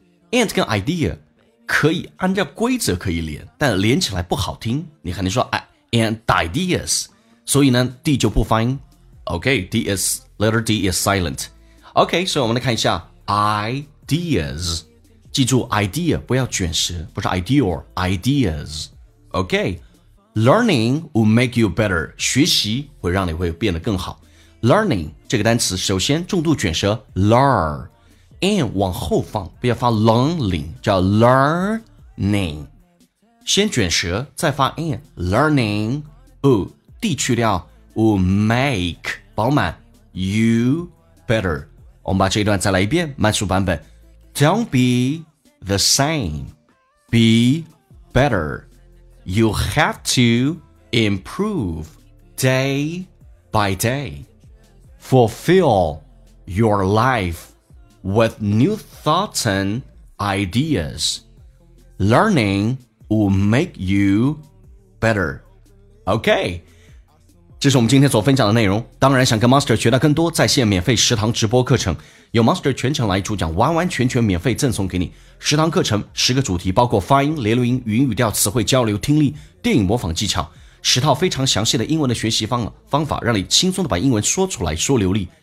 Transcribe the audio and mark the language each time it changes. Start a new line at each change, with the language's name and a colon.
Chinese: And 跟 idea 可以按照规则可以连，但连起来不好听，你肯定说
English: and ideas.
Chinese: 所以呢 D 就不发音。
English: OK, letter D is silent.
Chinese: OK, 所以我们来看一下 ideas. 记住 idea 不要卷舌，不是 ideal, ideas.
English: OK, learning will make you better.
Chinese: 学习会让你会变得更好。Learning 这个单词，首先重度卷舌 learn， 往后放，不要发 learning， 叫 learning。先卷舌，再发 n。
English: Learning will D 去掉 will make 饱满 you better。
Chinese: 我们把这一段再来一遍，慢速版本。
English: Don't be the same, be better. You have to improve day by day. Fulfill your life with new thoughts and ideas. Learning will make you better.
Chinese: OK, 这是我们今天所分享的内容。当然想跟 Master 学到更多在线免费食堂直播课程，有 Master 全程来主讲，完完全全免费赠送给你。食堂课程十个主题，包括发音、连读音、语音语调、词汇交流、听力、电影模仿技巧，十套非常详细的英文的学习方法，让你轻松的把英文说出来说流利。